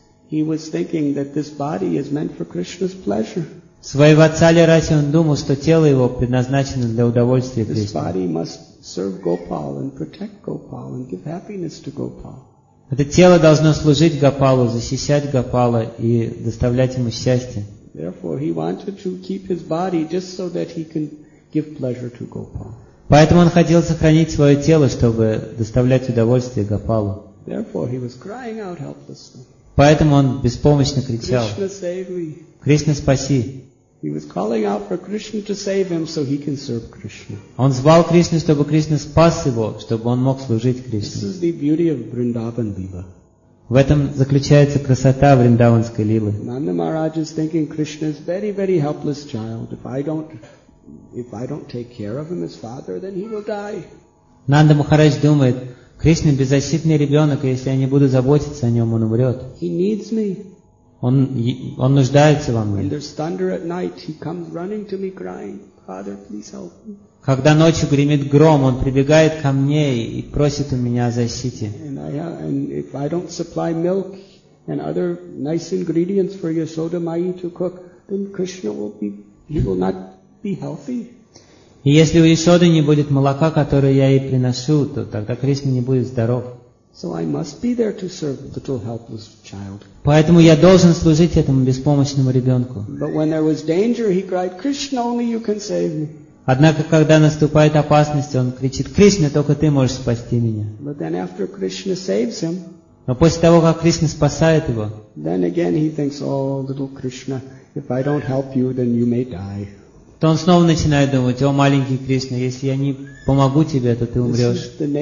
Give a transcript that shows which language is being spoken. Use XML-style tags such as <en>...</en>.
<en>He was thinking that this body is meant for Krishna's pleasure.</en> <ru>Своего царя Раси он думал, что тело его предназначено для удовольствия Кришны.</ru> <en>This body must serve Gopal and protect Gopal and give happiness to Gopal.</en> <ru>Это тело должно служить Гопалу, защищать Гопала и доставлять ему счастье.</ru> <en>Therefore, he wanted to keep his body just so that he can give pleasure to Gopal.</en> <ru>Поэтому он хотел сохранить свое тело, чтобы доставлять удовольствие Гопалу.</ru> <en>Therefore, he was crying out helplessly.</en> <ru>Поэтому он беспомощно кричал: «Кришна, спаси!»</ru> <en>He was calling out for Krishna to save him, so he can serve Krishna.</en> <ru>Он звал Кришну, чтобы Кришна спас его, чтобы он мог служить Кришне.</ru> <en>This is the beauty of Vrindavan Lila.</en> <ru>В этом заключается красота Вриндаванской лилы.</ru> <en>Nanda Maharaj is thinking Krishna is very, very helpless child. If I don't take care of him as father, then he will die.</en> <ru>Нанда Махарадж думает: Кришна беззащитный ребенок, и если я не буду заботиться о нем, он умрет.</ru> <en>He needs me.</en> <ru>Он нуждается во мне.</ru> <en>When there's thunder at night, he comes running to me crying, Father, please help me.</en> <ru>Когда ночью гремит гром, он прибегает ко мне и просит у меня о защите.</ru> <en>And if I don't supply milk and other nice ingredients for your soda mayi to cook, then Krishna will not be healthy.</en> <ru>И если у Ясоды не будет молока, которое я ей приношу, то тогда Кришна не будет здоров.</ru> <en>So I must be there to serve the little helpless child.</en> <ru>Поэтому я должен служить этому беспомощному ребенку.</ru> <en>But when there was danger, he cried, Krishna, only you can save me.</en> <ru>Однако, когда наступает опасность, он кричит: Кришна, только ты можешь спасти меня.</ru> <en>But then after Krishna saves him,</en> <ru>но после того, как Кришна спасает его,</ru> <en>then again he thinks, oh, little Krishna, if I don't help you, then you may die.</en> <ru>То он снова начинает думать: о, маленький Кришна, если я не помогу тебе, то ты умрешь.</ru>